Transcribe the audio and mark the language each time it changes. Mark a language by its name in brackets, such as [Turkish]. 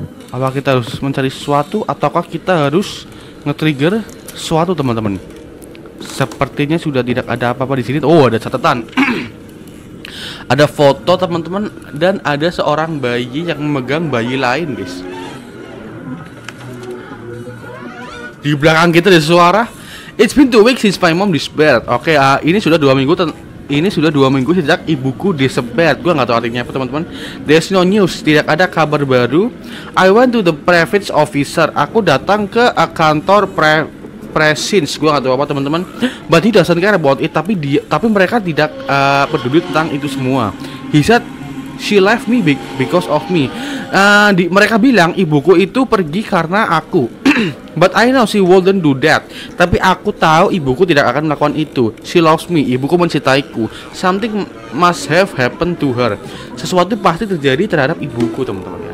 [Indonesian] Apa kita harus mencari sesuatu ataukah kita harus nge-trigger sesuatu teman-teman? Sepertinya sudah tidak ada apa-apa di sini. Oh, ada catatan. Ada foto teman-teman dan ada seorang bayi yang memegang bayi lain, guys. Di belakang kita ada suara. [English] It's been 2 weeks since my mom disappeared. [Indonesian] Oke, ini sudah 2 minggu ini sudah 2 minggu sejak ibuku disappeared. Gua enggak tahu artinya apa, teman-teman. [English] There's no news, [Indonesian] tidak ada kabar baru. [English] I went to the Prefect's officer. [Indonesian] Aku datang ke kantor presence. Gua enggak tahu apa, teman-teman. [English] But he doesn't care about it, [Indonesian] tapi mereka tidak peduli tentang itu semua. [English] He said she left me because of me. [Indonesian] Mereka bilang ibuku itu pergi karena aku. [English] But I know she wouldn't do that. [Indonesian] Tapi aku tahu ibuku tidak akan melakukan itu. [English] She loves me. [Indonesian] Ibuku mencintaiku. [English] Something must have happened to her. [Indonesian] Sesuatu pasti terjadi terhadap ibuku, teman-teman ya.